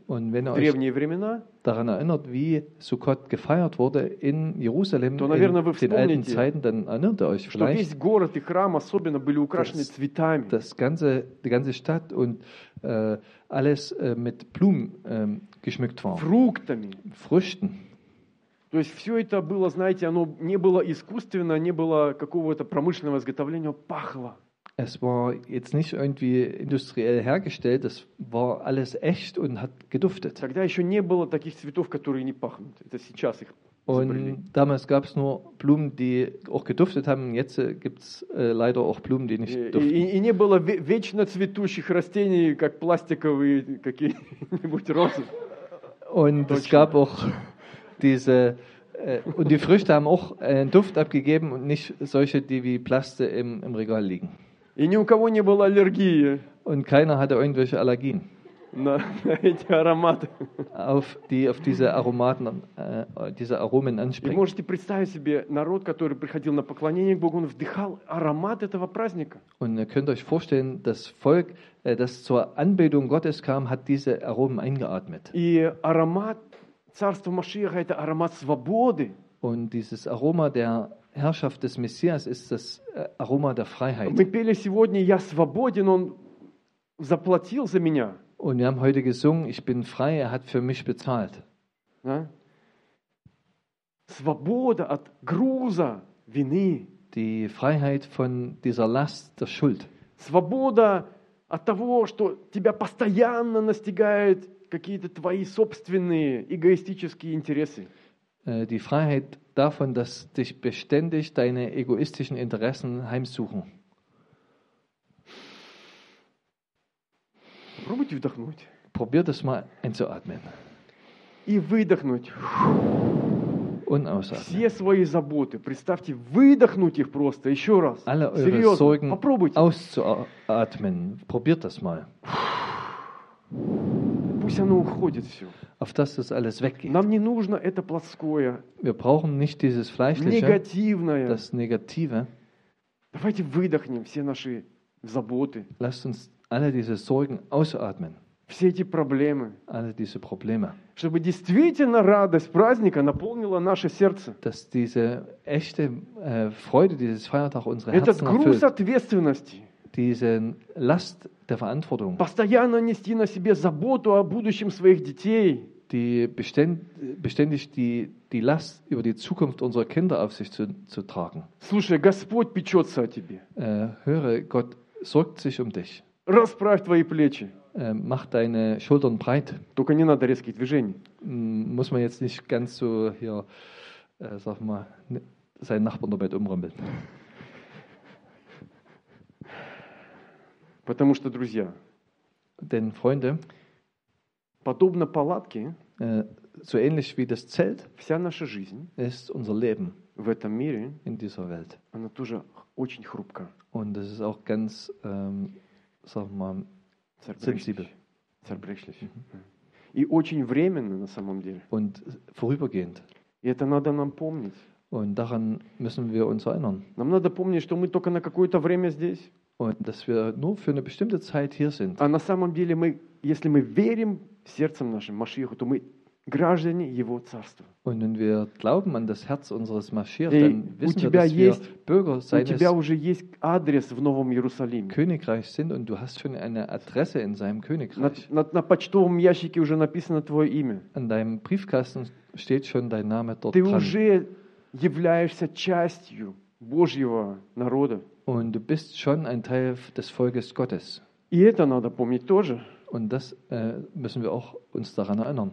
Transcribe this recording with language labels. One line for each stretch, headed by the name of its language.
German: und wenn
Russian: в древние времена,
German: daran erinnert, wie Sukkot gefeiert wurde in Jerusalem
Russian: то, наверное,
German: in den alten Zeiten, dann erinnert ihr euch vielleicht,
Russian: что весь город и храм особенно были украшены
German: das,
Russian: цветами.
German: Das ganze, die ganze Stadt und alles mit Blumen geschmückt war.
Russian: Фруктами.
German: Früchten.
Russian: То есть все это было, знаете, оно не было искусственно, не было какого-то промышленного изготовления, пахло.
German: Es war jetzt nicht irgendwie industriell hergestellt, es war alles echt und hat geduftet.
Russian: Тогда еще не было таких цветов, которые не пахнут. Это сейчас их изобрели.
German: Und damals gab es nur Blumen, die auch geduftet haben. Jetzt gibt es leider auch Blumen, die nicht duften.
Russian: И не было вечно цветущих растений, как пластиковые какие-нибудь розы.
German: Und es gab auch diese und die Früchte haben auch einen Duft abgegeben und nicht solche, die wie Plaste im Regal liegen.
Russian: И ни у кого не было аллергии.
German: Und keiner hatte irgendwelche Allergien.
Russian: На эти ароматы.
German: Auf diese Aromaten, diese Aromen anspringen.
Russian: И можете представить себе народ, который приходил на поклонение к Богу, он вдыхал аромат этого праздника.
German: Und ihr könnt euch vorstellen, das Volk, das zur Anbetung Gottes kam, hat diese Aromen eingeatmet.
Russian: И аромат царства Машиаха – это аромат свободы.
German: Und dieses Aroma der Herrschaft des Messias ist das Aroma der Freiheit.
Russian: Мы пели сегодня, я свободен, он заплатил за меня.
German: Und wir haben heute gesungen, ich bin frei, er hat für mich bezahlt. Ja?
Russian: Свобода от груза вины.
German: Die Freiheit von dieser Last der Schuld.
Russian: Свобода от того, что тебя постоянно настигает какие-то твои собственные эгоистические интересы.
German: Die Freiheit davon, dass dich beständig deine egoistischen Interessen heimsuchen.
Russian: Пробуйте вдохнуть.
German: Probier das mal einzuatmen.
Russian: И выдохнуть.
German: Und ausatmen.
Russian: Все свои заботы, представьте, выдохнуть их просто еще раз.
German: Alle eure Sorgen auszuatmen. Probiert das mal.
Russian: Пусть оно уходит все.
German: Auf das es alles weggeht.
Russian: Нам не нужно это плоское.
German: Wir brauchen nicht dieses Fleischliche.
Russian: Негативное.
German: Das Negative.
Russian: Давайте выдохнем все наши заботы.
German: Lasst uns alle diese Sorgen ausatmen.
Russian: Все эти проблемы.
German: Alle diese Probleme.
Russian: Чтобы действительно радость праздника наполнила наше сердце.
German: Dass diese echte Freude dieses Feiertags unsere Herzen erfüllt.
Russian: Этот груз ответственности.
German: Diese Last der Verantwortung.
Russian: Постоянно нести на себе заботу о будущем своих детей.
German: Die beständig die Last über die Zukunft unserer Kinder auf sich zu tragen.
Russian: Слушай, Господь печется о тебе.
German: Höre, Gott sorgt sich um dich.
Russian: Расправь твои плечи.
German: Mach deine Schultern breit.
Russian: Только не надо резких движений.
German: Muss man jetzt nicht ganz so hier, sag mal, seinen Nachbarn dabei umrammeln.
Russian: Потому что, друзья,
German: denn Freunde,
Russian: подобно палатке,
German: so ähnlich wie das Zelt,
Russian: вся наша жизнь,
German: ist unser Leben
Russian: в этом мире,
German: in dieser Welt,
Russian: она тоже очень хрупка.
German: Und es ist auch ganz, sag mal, Zerbrechlich.
Russian: И очень временно на самом деле.
German: Und vorübergehend.
Russian: И это надо нам помнить.
German: Und daran müssen wir uns erinnern.
Russian: Нам надо помнить, что мы только на какое-то время здесь.
German: Und dass wir nur für eine bestimmte Zeit hier sind.
Russian: А на самом деле мы, если мы верим сердцем нашим Машиаху, то мы граждане Его Царства.
German: Und wenn wir glauben an das Herz unseres Maschiach, dann wissen wir, dass wir Bürger seines
Russian: у тебя уже есть адрес в Новом Иерусалиме.
German: Königreich sind und du hast schon eine Adresse in seinem Königreich.
Russian: На почтовом ящике уже написано твое имя.
German: An deinem Briefkasten steht schon dein Name dort dran.
Russian: Ты уже являешься частью Божьего народа.
German: Und du bist schon ein Teil des Volkes Gottes.
Russian: И это надо помнить тоже.
German: Und das müssen wir auch uns daran erinnern.